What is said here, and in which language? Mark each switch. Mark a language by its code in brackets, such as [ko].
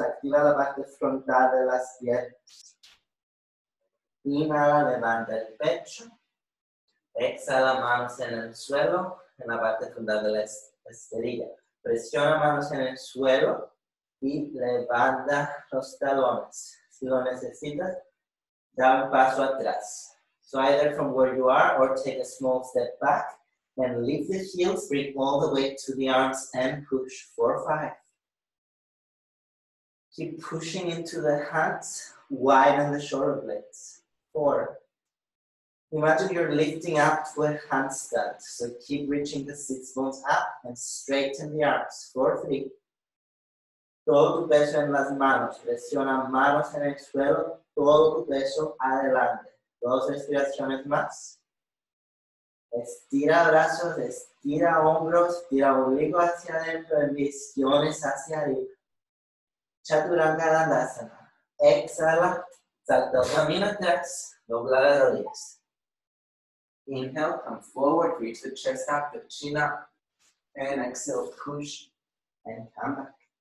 [es] Activa la parte frontal de las piernas. Inhala, levanta el pecho. Exhala, manos en el suelo, en la parte frontal de la esterilla. Presiona manos en el suelo y levanta los talones. Si lo necesitas, da un paso atrás. [en] So either from where you are or take a small step back and lift the heels, bring all the weight to the arms and push 4 or 5. Keep pushing into the hands, widen the shoulder blades. 4. Imagine you're lifting up to a handstand. So keep reaching the sit bones up and straighten the arms. [es] 4, 3. Todo tu peso en las manos. Presiona manos en el suelo. Todo tu peso adelante. 2 respiraciones más. Estira brazos, estira hombros, estira ombligo hacia adentro, visiones hacia arriba. Chaturanga Dandasana. Exhala, salta el camino atrás, dobla las rodillas. [en] Inhale, come forward, reach the chest up, the chin up, and exhale, push, and come back.